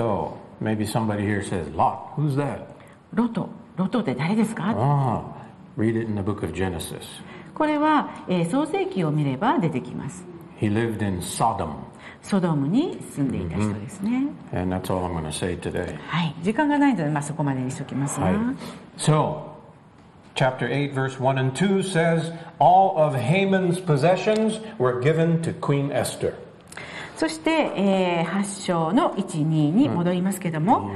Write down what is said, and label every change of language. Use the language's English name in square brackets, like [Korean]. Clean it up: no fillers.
[English] So,Maybe somebody here says, Lot, who's that? [Japanese] Lot, Lot って誰ですか？ [English] Read it in the book of Genesis. [Japanese] これは、創世記を見れば出てきます。 [English] He lived in Sodom. [Japanese] ソドムに住んでいた人ですね。 Mm-hmm. [English] And that's all I'm going to say today. [Japanese] はい、時間がないので、まあ、そこまでにしておきますが。 [English] So, chapter 8, verse 1 and 2 says, All of Haman's possessions were given to Queen Esther. [Japanese] そして、8章の 1-2 に戻りますけども、